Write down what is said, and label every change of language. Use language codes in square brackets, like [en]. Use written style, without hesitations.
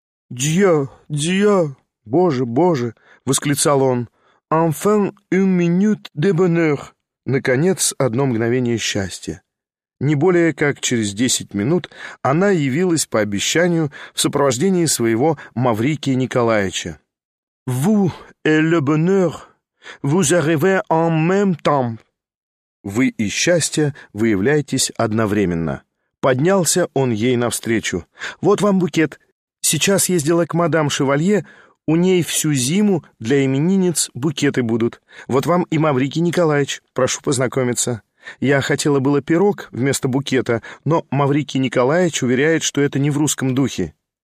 [ru] «Дьё, дьё, боже, боже!» — восклицал он. [fr] «Enfin une minute de bonheur!» [ru] — наконец, одно мгновение счастья. Не более как через 10 минут она явилась по обещанию в сопровождении своего Маврикия Николаевича. [fr] «Vous et le bonheur, vous arrivez en même temps!» [ru] «Вы и счастье выявляетесь одновременно». Поднялся он ей навстречу. «Вот вам букет. Сейчас ездила к мадам Шевалье. У ней всю зиму для именинниц букеты будут. Вот вам и Маврикий Николаевич. Прошу познакомиться. Я хотела было пирог вместо букета, но Маврикий Николаевич уверяет, что это не в русском духе».